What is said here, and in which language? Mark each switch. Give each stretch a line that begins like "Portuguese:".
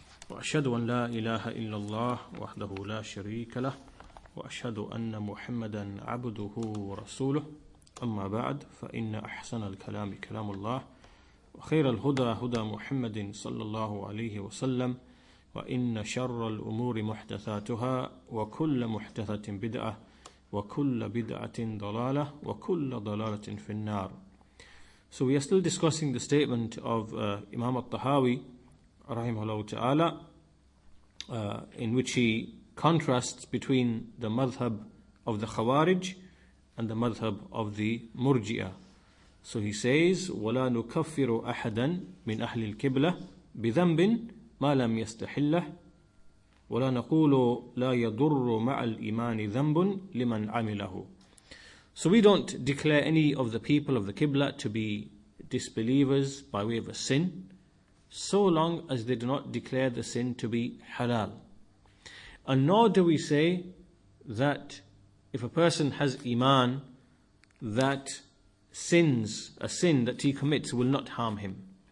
Arabic: وأشهد أن لا إله إلا الله وحده لا شريك له وأشهد أن محمدا عبده ورسوله أما بعد فإن أحسن الكلام كلام الله وخير الهدى هدى محمد صلى الله عليه وسلم وإن شر الأمور محدثاتها وكل محدثة بدعة وكل بدعة ضلالة وكل ضلالة في النار.
English: So we are still discussing the statement of Imam al-Tahawi
Arabic: رحمه الله تعالى
English: in which he contrasts between the madhab of the Khawarij and the madhab of the Murji'a. So he says
Arabic: وَلَا نُكَفِّرُ أَحَدًا مِنْ أَحْلِ الْكِبْلَةِ بِذَنْبٍ ما لم يستحله ولا نقول لا يضر مع الإيمان ذنب لمن عمله.
English: So we don't declare any of the people of the Qibla to be disbelievers by way of a sin, so long as they do not declare the sin to be halal. And nor do we say that if a person has Iman, that sins, a sin that he commits will not harm him.